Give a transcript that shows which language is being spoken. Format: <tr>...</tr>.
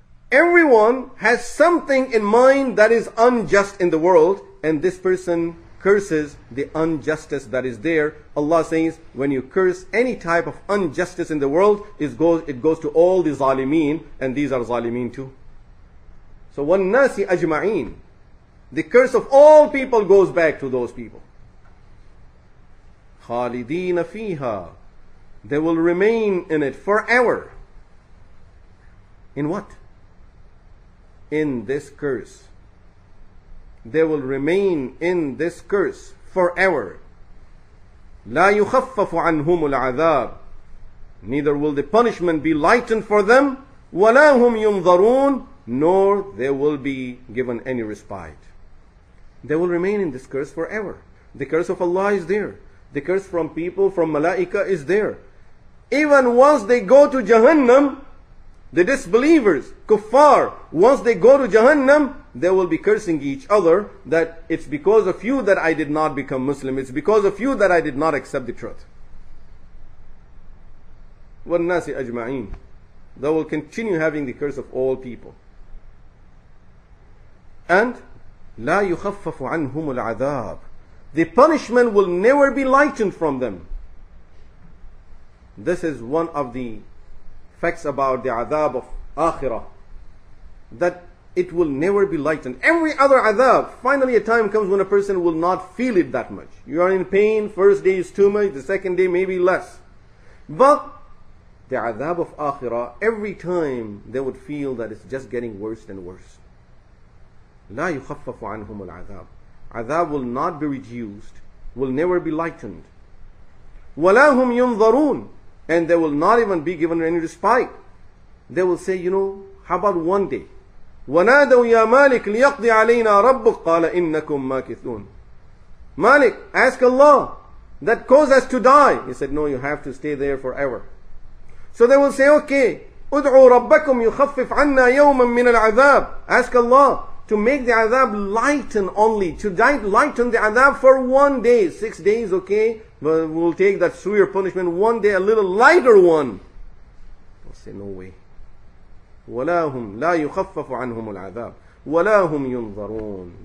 <en>Everyone has something in mind that is unjust in the world, and this person curses the injustice that is there. Allah says, when you curse any type of injustice in the world, it goes to all the zalimeen, and these are zalimeen too.</en> <ar>So, وَالنَّاسِ أَجْمَعِينَ.</ar> <en>The curse of all people goes back to those people.</en> <ar>خَالِدِينَ فِيهَا</ar> <en>They will remain in it forever. In what? In this curse. They will remain in this curse forever.</en> <ar>لَا يُخَفَّفُ عَنْهُمُ الْعَذَابُ.</ar> <en>Neither will the punishment be lightened for them,</en> <ar>وَلَا هُمْ يُنظَرُونَ,</ar> <en>nor they will be given any respite. They will remain in this curse forever. The curse of Allah is there. The curse from people, from Malaika is there. Even once they go to Jahannam, the disbelievers, kuffar, once they go to Jahannam, they will be cursing each other that it's because of you that I did not become Muslim. It's because of you that I did not accept the truth.</en> <ar>وَالنَّاسِ أَجْمَعِينَ.</ar> <en>They will continue having the curse of all people.</en> <ar>And لَا يُخَفَّفُ عَنْهُمُ الْعَذَابُ.</ar> <en>The punishment will never be lightened from them. This is one of the facts about the adab of Akhirah, that it will never be lightened. Every other adab, finally a time comes when a person will not feel it that much. You are in pain, first day is too much, the second day maybe less. But the adab of Akhirah, every time they would feel that it's just getting worse and worse.</en> <ar>لَا يُخَفَّفُ عَنْهُمُ الْعَذَابُ.</ar> <en>Adab will not be reduced, will never be lightened.</en> <ar>وَلَا هُمْ يُنظَرُونَ.</ar> <en>And they will not even be given any respite. They will say, you know, how about one day?</en> <ar>وَنَادَوْ يَا مَالِكْ لِيَقْضِ عَلَيْنَا رَبُّكْ قَالَ إِنَّكُمْ مَاكِثُونَ.</ar> <en>Malik, ask Allah that cause us to die. He said, no, you have to stay there forever. So they will say, okay,</en> <ar>أُدْعُوا رَبَّكُمْ يُخَفِّفْ عَنَّا يَوْمًا مِّنَ الْعَذَابِ.</ar> <en>Ask Allah to make the adab lighten only, to lighten the adab for one day. 6 days, okay, but we'll take that severe punishment one day, a little lighter one. I'll say, no way.</en> <ar>وَلَا هُمْ لَا يُخَفَّفُ عَنْهُمُ الْعَذَابِ وَلَا هُمْ يُنظَرُونَ.</ar>